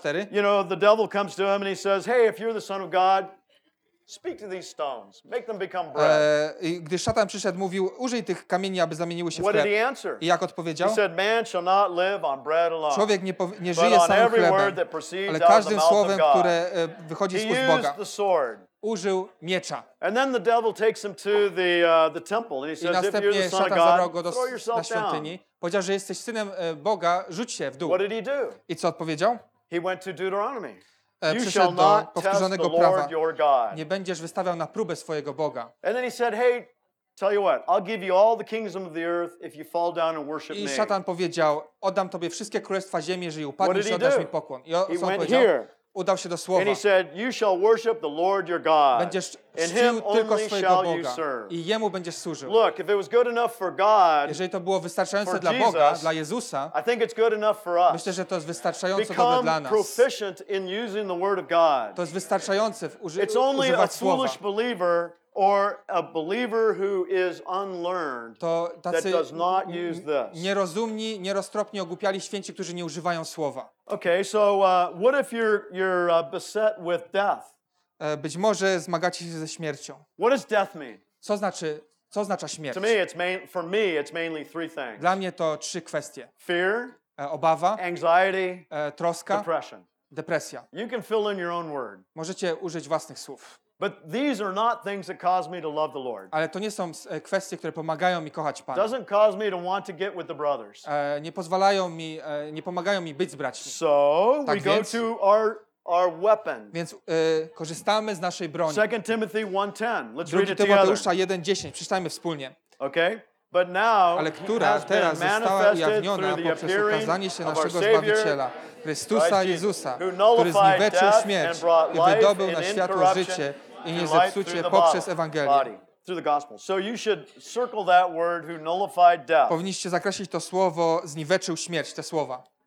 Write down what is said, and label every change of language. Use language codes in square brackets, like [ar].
[en] You know, the devil comes to him and he says, "Hey, if you're the son of God, speak to these stones. Make them become bread." [pl] Gdy szatan przyszedł, mówił: "Użyj tych kamieni, aby zamieniły się w [en] chleb." What did he answer? [pl] I jak odpowiedział? [en] He said, "Man shall not live on bread alone." [pl] Człowiek nie żyje samym chlebem. [en] But on every word that proceeds out of the mouth [pl] Ale każdym słowem, które wychodzi z ust Boga. [en] He used the sword. [pl] Użył miecza. [en] And then the devil takes him to the temple and he says, "If you're the son of God, throw yourself down." [pl] Powiedział, że jesteś synem Boga, rzuć się w dół. [en] What did he do? [pl] I co odpowiedział? [en] He went to Deuteronomy. [pl] Przyszedł do powtórzonego prawa. Nie będziesz wystawiał na próbę swojego Boga. [en] And then he said, "Hey, tell you what, I'll give you all the kingdoms of the earth if you fall down and worship me." [pl] I szatan powiedział, oddam tobie wszystkie królestwa ziemi, jeżeli upadniesz i oddasz mi pokłon. I co on powiedział? Udał się do słowa. [en] And he said, "You shall worship the Lord your God. [pl] Będziesz czcił tylko swojego Boga i jemu będziesz służył." [en] Look, if it was good enough for God, [pl] jeżeli to było wystarczające dla Boga, dla Jezusa, [en] I think it's good enough for us. [pl] Myślę, że to jest wystarczająco dobre dla nas. [en] Become proficient in using the word of God. [pl] To jest wystarczające w używać [en] słowa. It's only a foolish believer or a believer who is unlearned that does not use this. [pl] Nierozumni, nieroztropni, ogłupiali święci, którzy nie używają słowa. [en] Okay, so what if you're beset with death? [pl] Być może zmagacie się ze śmiercią. [en] What does death mean? [pl] Co oznacza śmierć? [en] To me, for me, it's mainly three things. [pl] Dla mnie to trzy kwestie. [en] Fear. [pl] Obawa. [en] Anxiety. [pl] Troska. [en] Depression. [pl] Depresja. [en] You can fill in your own word. [pl] Możecie użyć własnych słów. [en] But these are not things that cause me to love the Lord. [pl] Ale to nie są kwestie, które pomagają mi kochać Pana. [en] Doesn't cause me to want to get with the brothers. [pl] Nie pozwalają mi, nie pomagają mi być z braćmi. [en] So [pl] tak [en] we [pl] więc, [en] go to our weapon. [pl] Więc korzystamy z naszej broni. [en] 2 Timothy 1:10. Let's read it together. [pl] 2 Tymoteusza 1:10. Przeczytajmy wspólnie. [en] Okay? But now, [pl] ale która teraz została ujawniona poprzez ukazanie się naszego Zbawiciela, Chrystusa Jezusa, który zniweczył śmierć i wydobył na światło życie i nie zepsucie poprzez Ewangelię. [en] So you should circle that word, who nullified death. [pl] Powinniście zakreślić to słowo, zniweczył śmierć, te słowa.